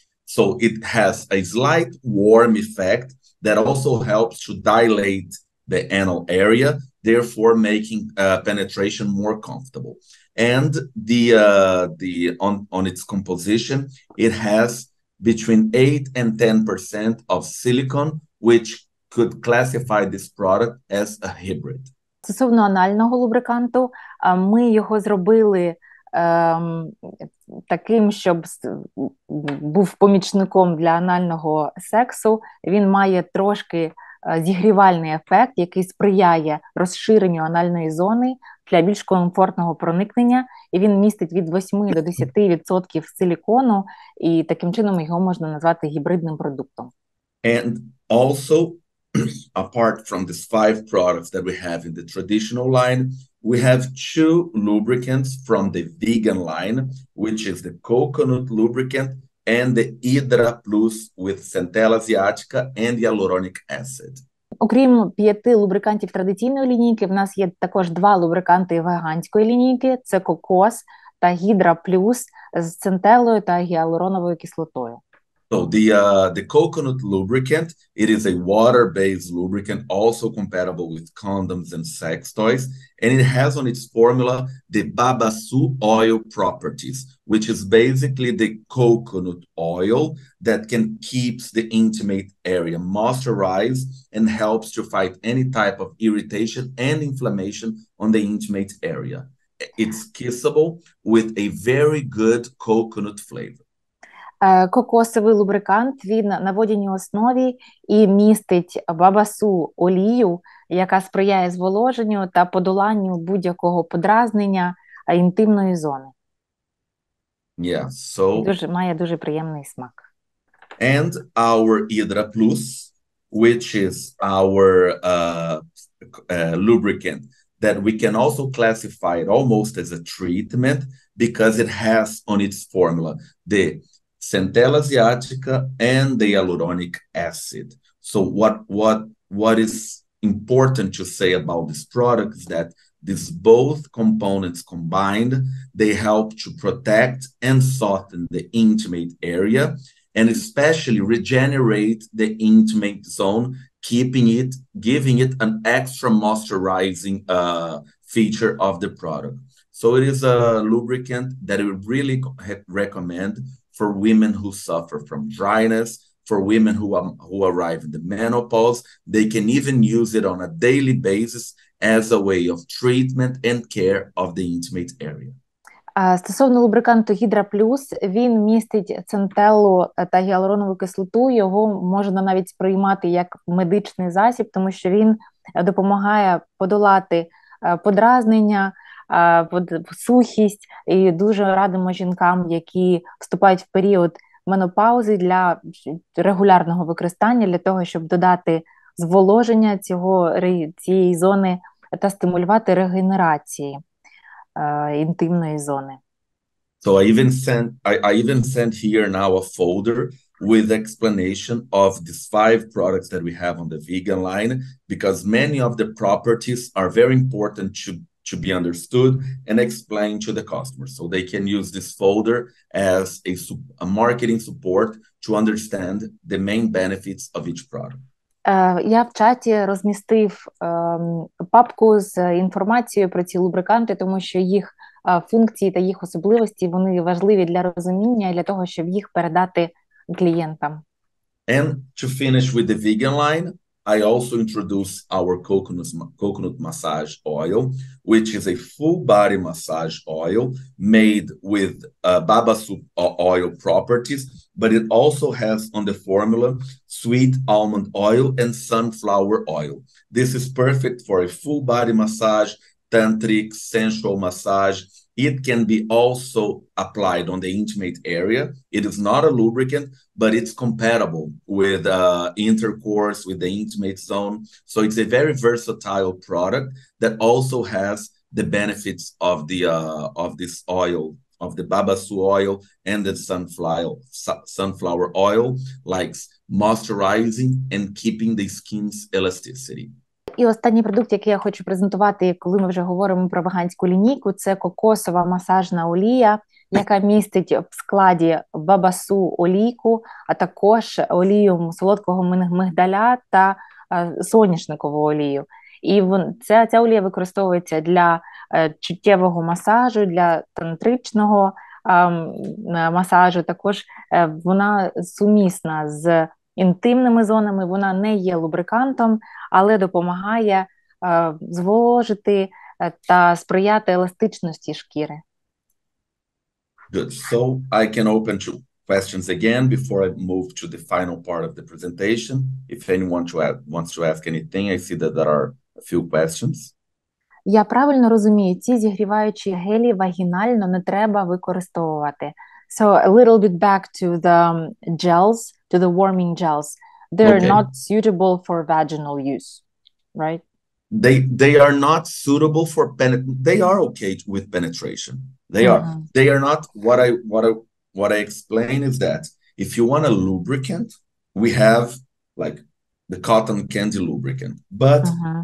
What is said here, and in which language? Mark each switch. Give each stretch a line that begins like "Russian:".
English: So it has a slight warm effect that also helps to dilate the anal area, therefore making penetration more comfortable. And on its composition, it has between 8 and 10% of silicone, which could classify this product as a hybrid.
Ukrainian: Стосовно анального лубриканту, ми його зробили таким, щоб був помічником для анального сексу. Він має трошки зігрівальний ефект, який сприяє розширенню анальної зони для більш комфортного проникнення. І він містить від 8 до 10% силікону, і таким чином його можна назвати гібридним продуктом.
English: And also, apart from these 5 products that we have in the traditional line, we have 2 lubricants from the vegan line, which is the coconut lubricant and the Hydra Plus with centella asiatica and hyaluronic acid.
Ukrainian: Окрім 5 лубрикантів традиційної лінійки, в нас є також 2 лубриканти веганської лінійки – це кокос та Hydra Plus з центелою та гіалуроновою кислотою.
English: So the coconut lubricant, it is a water-based lubricant, also compatible with condoms and sex toys, and it has on its formula the babassu oil properties, which is basically the coconut oil that can keep the intimate area moisturized and helps to fight any type of irritation and inflammation on the intimate area. It's kissable with a very good coconut flavor.
Ukrainian: Кокосовий лубрикант, він на водяній основі і містить бабасу олію, яка сприяє зволоженню та подоланню будь-якого подразнення інтимної зони.
English: Yeah, so...
Ukrainian: Має дуже приємний смак.
English: And our Hydra Plus, which is our lubricant, that we can also classify it almost as a treatment, because it has on its formula the centella asiatica and the hyaluronic acid. So what is important to say about this product is that these both components combined, they help to protect and soften the intimate area and especially regenerate the intimate zone, giving it an extra moisturizing feature of the product. So it is a lubricant that I would really recommend for women who suffer from dryness, for women who arrive in the menopause. They can even use it on a daily basis as a way of treatment and care of the intimate area.
Ukrainian: Стосовно лубриканту Hydra Plus, він містить центеллу та гіалуронову кислоту. Його можна навіть сприймати як медичний засіб, тому що він допомагає подолати подразнення, сухість, і дуже радимо жінкам, які вступають в період менопаузи, для регулярного використання, для того, щоб додати зволоження цієї зони та стимулювати регенерації інтимної зони.
English: So I even sent here now a folder with explanation of these 5 products that we have on the vegan line, because many of the properties are very important to be understood and explained to the customer, so they can use this folder as a marketing support to understand the main benefits of each product.
Ukrainian: Я в чаті розмістив папку з інформацією про ці лубриканти, тому що їх функції та їх особливості, вони важливі для розуміння, для того, щоб їх передати клієнтам.
English: And to finish with the vegan line, I also introduce our coconut massage oil, which is a full body massage oil made with babassu oil properties, but it also has on the formula sweet almond oil and sunflower oil. This is perfect for a full body massage, tantric, sensual massage. It can be also applied on the intimate area. It is not a lubricant, but it's compatible with intercourse, with the intimate zone. So it's a very versatile product that also has the benefits of the of this oil, of the babassu oil and the sunflower oil, like moisturizing and keeping the skin's elasticity.
Ukrainian: І останній продукт, який я хочу презентувати, коли ми вже говоримо про веганську лінійку, це кокосова масажна олія, яка містить в складі бабасу олійку, а також олію солодкого мигдаля та соняшникову олію. І ця олія використовується для чуттєвого масажу, для тантричного масажу. Також вона сумісна з інтимними зонами, вона не є лубрикантом, але допомагає зволожити та сприяти еластичності шкіри.
English: Good. So I can open to questions again before I move to the final part of the presentation. If anyone wants to ask anything, I see that there are a few questions.
Ukrainian: Я правильно розумію, ці зігріваючі гелі вагінально не треба використовувати.
English: So a little bit back to the gels, to the warming gels. They're okay. Not suitable for vaginal use, right? They are not suitable for they are okay with penetration. They mm-hmm. are. They are not what I explain is that if you want a lubricant, we have like the cotton candy lubricant. But mm-hmm.